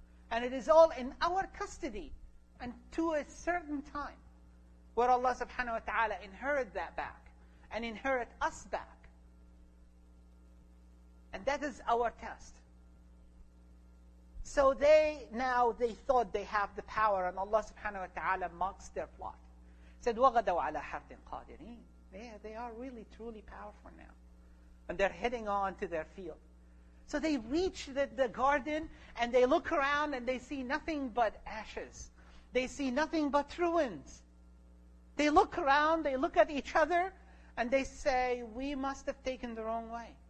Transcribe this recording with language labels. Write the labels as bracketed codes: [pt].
[en] And it is all in our custody and to a certain time where Allah subhanahu wa ta'ala inherit that back and inherit us back. And that is our test. So they now, they thought they have the power, and Allah subhanahu wa ta'ala mocks their plot. Said, [ar] وَغَدَوْ عَلَى حَرْدٍ قَادِرِينَ. [en] Yeah, they are really truly powerful now. And they're heading on to their field. So they reach the garden and they look around and they see nothing but ashes. They see nothing but ruins. They look around, they look at each other and they say, we must have taken the wrong way.